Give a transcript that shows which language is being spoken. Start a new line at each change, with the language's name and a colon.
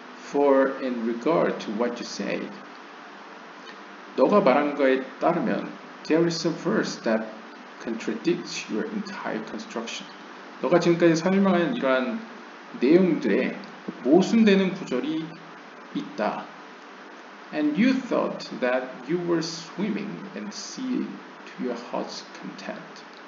English: For in regard to what you said,
Korean: 너가 말한 거에 따르면
English: there is a verse that contradicts your entire construction.
Korean: 너가 지금까지 설명한 이러한 내용들에 모순되는 구절이 있다.
English: And you thought that you were swimming and seeing to your heart's content.